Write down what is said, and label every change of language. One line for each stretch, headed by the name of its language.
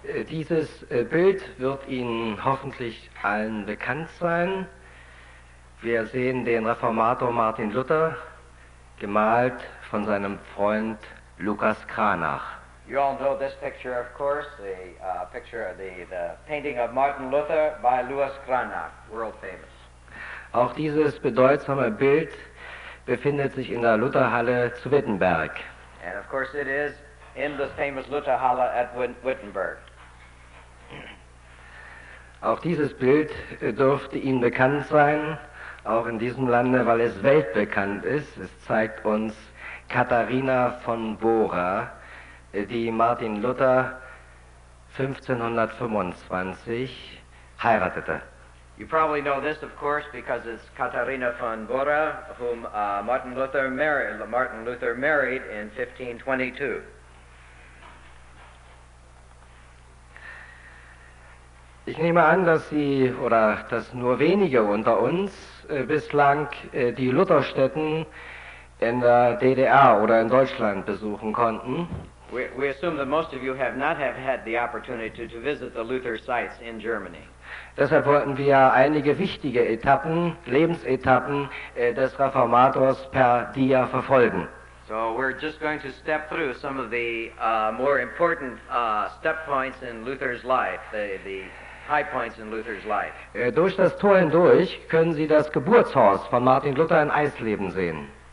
German: Dieses Bild wird Ihnen hoffentlich allen bekannt sein. Wir sehen den Reformator Martin Luther, gemalt von seinem Freund Lukas Cranach.
English: You all know this picture, of course, the painting of Martin Luther by Lukas Cranach, world famous.
German: Auch dieses bedeutsame Bild befindet sich in der Lutherhalle zu Wittenberg.
English: And of course it is in the famous Lutherhalle at Wittenberg.
German: Auch dieses Bild dürfte Ihnen bekannt sein auch in diesem Lande, weil es weltbekannt ist. Es zeigt uns Katharina von Bora, die Martin Luther 1525 heiratete.
English: You probably know this, of course, because it's Katharina von Bora, whom Martin Luther married in 1522.
German: Ich nehme an, dass Sie oder dass nur wenige unter uns bislang die Lutherstätten in der DDR oder in Deutschland besuchen konnten.
English: We assume that most of you have not had the opportunity to visit the Luther sites in Germany.
German: Deshalb wollten wir einige wichtige Etappen, Lebensetappen des Reformators per dia verfolgen.
English: So we're just going to step through some of the more important step points in Luther's life, the high points in Luther's life.
German: Durch das Tor hindurch können Sie das Geburtshaus von Martin Luther in Eisleben sehen.